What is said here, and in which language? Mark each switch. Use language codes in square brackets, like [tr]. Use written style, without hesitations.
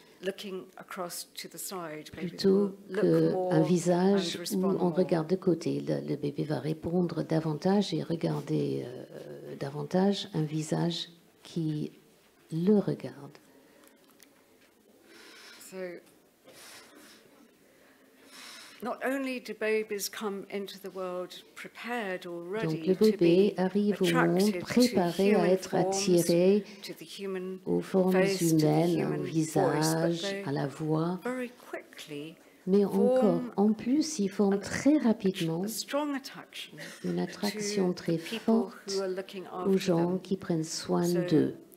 [en] Looking across to the side, [fr] plutôt qu'un visage où on regarde de côté. Le bébé va répondre davantage et regarder davantage un visage qui le regarde. [en] So, not only do babies come into the world prepared or ready. [fr] Donc le bébé arrive au monde préparé à être attiré aux formes humaines, au visage, à la voix. Mais encore, en plus, ils forment très rapidement une attraction très forte aux gens qui prennent soin d'eux.